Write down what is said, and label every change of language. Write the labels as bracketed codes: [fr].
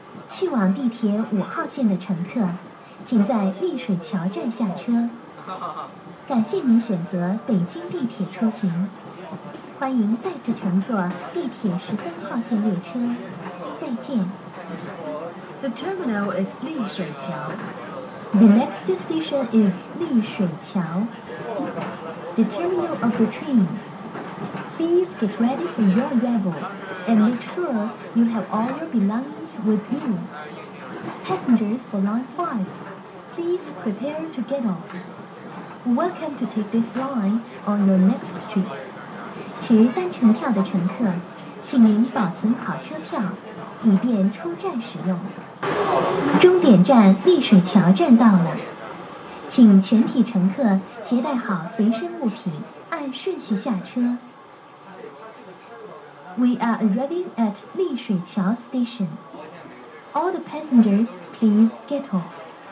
[zh] 去往地铁五号线的乘客，请在丽水桥站下车。感谢您选择北京地铁出行，欢迎再次乘坐地铁十三号线列车，再见。 [en] The terminal is 丽水桥。 The next station is 丽水桥。 The terminal of the train. Please get ready for your arrival and make sure you have all your belongings with you. Passengers for line 5, please prepare to get off. Welcome to take this line on your next trip. [zh] 持单程票的乘客，请您保存好车票，以便出站使用。终点站丽水桥站到了，请全体乘客携带好随身物品，按顺序下车。 [en] We are arriving at 丽水桥 station. All the passengers please get off.